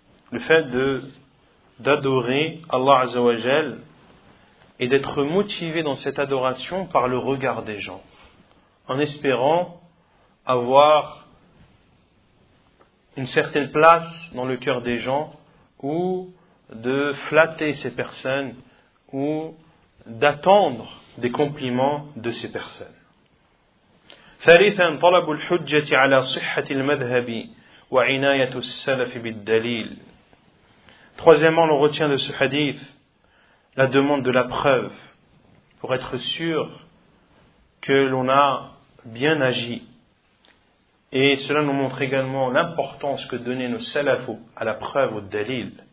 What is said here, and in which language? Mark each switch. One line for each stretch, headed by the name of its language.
French: Le fait d'adorer Allah Azza wa Jal et d'être motivé dans cette adoration par le regard des gens, en espérant avoir une certaine place dans le cœur des gens ou de flatter ces personnes ou d'attendre des compliments de ces personnes.
Arabic: ثالثا طلب الحجة على صحة المذهب وعناية السلف بالدليل.
French: Troisièmement, on retient de ce hadith la demande de la preuve pour être sûr que l'on a bien agi. Et cela nous montre également l'importance que donnaient nos salafs à la preuve au dalil.